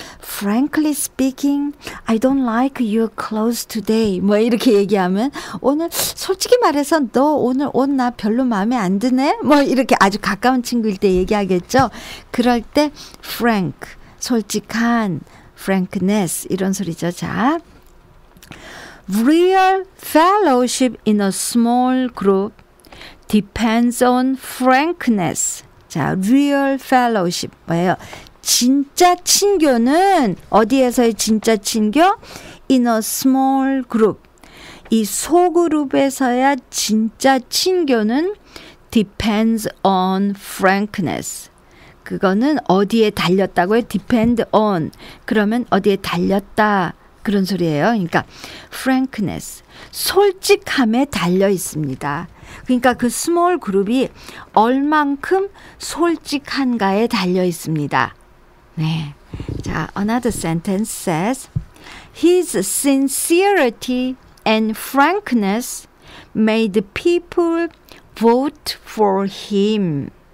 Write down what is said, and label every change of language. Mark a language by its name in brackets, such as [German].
[English] Frankly speaking, I don't like your clothes today. [Korean] 뭐 이렇게 얘기하면 오늘 솔직히 말해서 너 오늘 옷 나 별로 마음에 안 드네? 뭐 이렇게 아주 가까운 친구일 때 얘기하겠죠. 그럴 때 frank, 솔직한, frankness 이런 소리죠. [English] 자, real fellowship in a small group depends on frankness. [Korean] 자, [English] real fellowship [Korean] 뭐예요? 진짜 친교는 어디에서의 진짜 친교? [English] In a small group. [Korean] 이 소그룹에서야 진짜 친교는 [English] depends on frankness. [Korean] 그거는 어디에 달렸다고요? [English] Depend on. [Korean] 그러면 어디에 달렸다, 그런 소리예요. 그러니까 frankness, 솔직함에 달려 있습니다. 그러니까 그 스몰 그룹이 얼만큼 솔직한가에 달려 있습니다. 네. [English] 자, another sentence says, His sincerity and frankness made people vote for him.